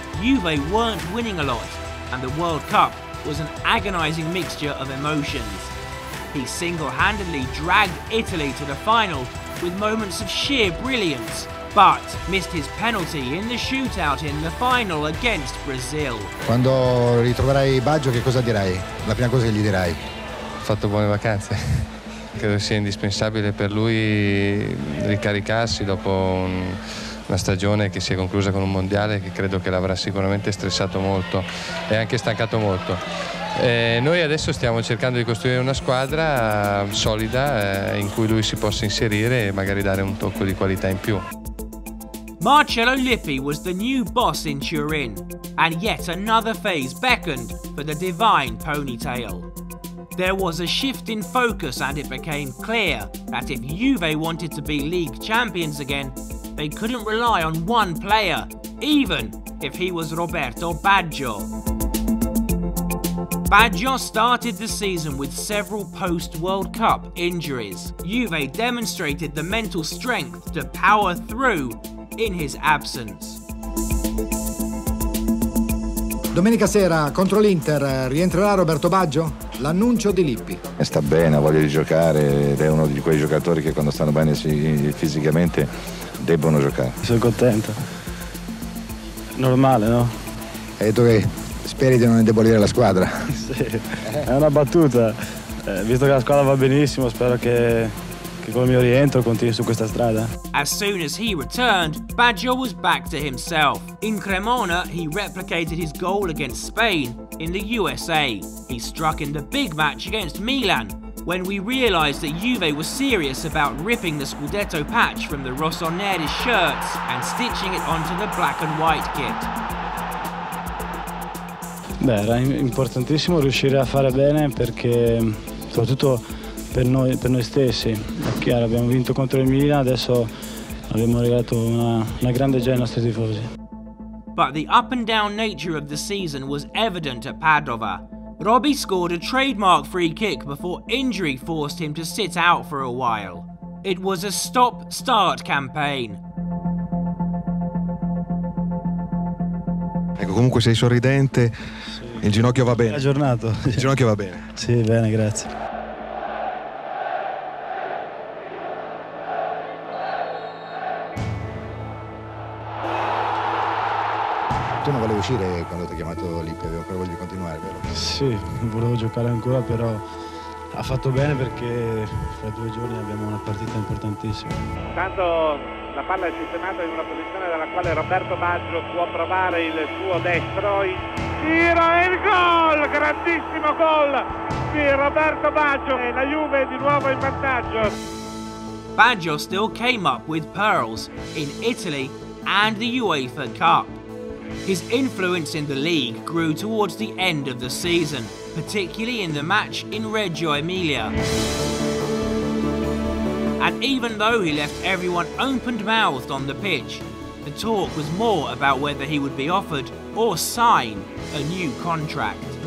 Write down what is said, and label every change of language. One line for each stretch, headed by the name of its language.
English: Juve weren't winning a lot, and the World Cup was an agonizing mixture of emotions. He single-handedly dragged Italy to the final with moments of sheer brilliance, but missed his penalty in the shootout in the final against Brazil.
Italian: Quando ritroverai Baggio, che cosa dirai? La prima cosa che gli dirai? Ho fatto buone vacanze. Credo sia indispensabile per lui ricaricarsi dopo una stagione che si è conclusa con un mondiale che credo che l'avrà sicuramente stressato molto e anche stancato molto. Noi adesso stiamo cercando di costruire una squadra solida in cui lui si possa inserire e magari dare un tocco di qualità in più.
English: Marcello Lippi was the new boss in Turin, and yet another phase beckoned for the Divine Ponytail. There was a shift in focus and it became clear that if Juve wanted to be league champions again, they couldn't rely on one player, even if he was Roberto Baggio. Baggio started the season with several post-World Cup injuries. Juve demonstrated the mental strength to power through in his absence.
Italian: Domenica sera contro l'Inter rientrerà Roberto Baggio? L'annuncio di Lippi. Sta bene, ha voglia di giocare ed è uno di quei giocatori che quando stanno bene fisicamente debbono giocare. Sono contento. Normale, no? Hai detto che speri di non indebolire la squadra. Sì, è una battuta. Visto che la squadra va benissimo, spero che con il mio rientro continui su questa strada.
English: As soon as he returned, Baggio was back to himself. In Cremona, he replicated his goal against Spain in the USA. He struck in the big match against Milan, when we realized that Juve was serious about ripping the Scudetto patch from the Rossoneri shirts and stitching it onto the black and white kit.
Italian: Beh, era importantissimo riuscire a fare bene, perché soprattutto per noi stessi. È chiaro, abbiamo vinto contro il Milan, adesso abbiamo regalato una grande gioia ai nostri tifosi.
English: But the up and down nature of the season was evident at Padova. Robbie scored a trademark free kick before injury forced him to sit out for a while. It was a stop-start campaign.
Italian: Ecco, comunque sei sorridente, il ginocchio va bene. Aggiornato. Il ginocchio va bene. Sì, bene, grazie. Tu non volevi uscire quando ti ho chiamato lì, però voglio continuare, vero? Sì, volevo giocare ancora, però ha fatto bene, perché fra due giorni abbiamo una partita importantissima. Intanto la palla è sistemata in una posizione dalla quale Roberto Baggio può provare il suo destro. Tiro e il gol! Grandissimo gol di Roberto Baggio, e la Juve di nuovo in vantaggio.
English: Baggio still came up with pearls in Italy and the UEFA Cup. His influence in the league grew towards the end of the season, particularly in the match in Reggio Emilia. And even though he left everyone open-mouthed on the pitch, the talk was more about whether he would be offered or sign a new contract.